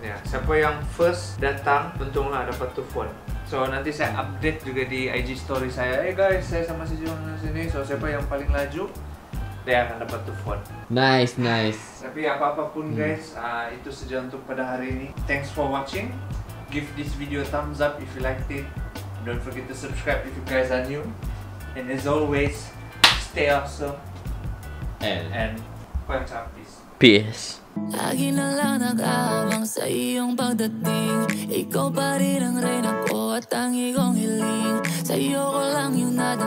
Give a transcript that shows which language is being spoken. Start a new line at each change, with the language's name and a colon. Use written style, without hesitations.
Malay: Ya, siapa yang first datang, untunglah dapat tuh phone. So nanti saya update juga di IG story saya. Hey guys, saya sama Sisio di sini, so siapa yang paling laju, dia akan dapat tuh phone.
English: Nice, nice.
Malay: Tapi apapun guys, itu saja untuk pada hari ini.
English: Thanks for watching. Give this video a thumbs up if you liked it. Don't forget to subscribe if you guys are new. And as always, stay awesome. And quite up, peace. Peace.
Filipino: Lagi na lang nag-awang sa iyong pagdating. Ikaw pa rin ang reyna ko at tangi kong hiling. Sa iyo ko lang yung